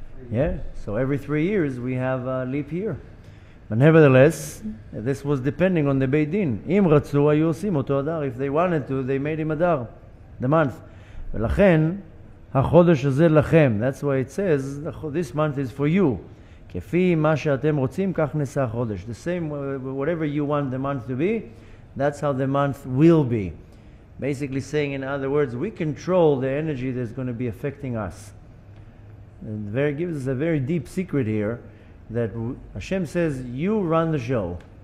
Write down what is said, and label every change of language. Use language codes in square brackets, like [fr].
[en] Yeah, so every 3 years we have a leap year. But nevertheless, this was depending on the Beit Din. [he] Im ratzu ayu osim oto adar. [en] If they wanted to, they made him adar, the month. [he] V'lachen, ha-chodesh hazeh lachem. [en] That's why it says, this month is for you. [he] כפי מה שאתם רוצים, כך נעשה החודש. [en] The same, whatever you want the month to be, that's how the month will be. Basically saying, in other words, we control the energy that's going to be affecting us. And there gives us a very deep secret here, that Hashem says, you run the show.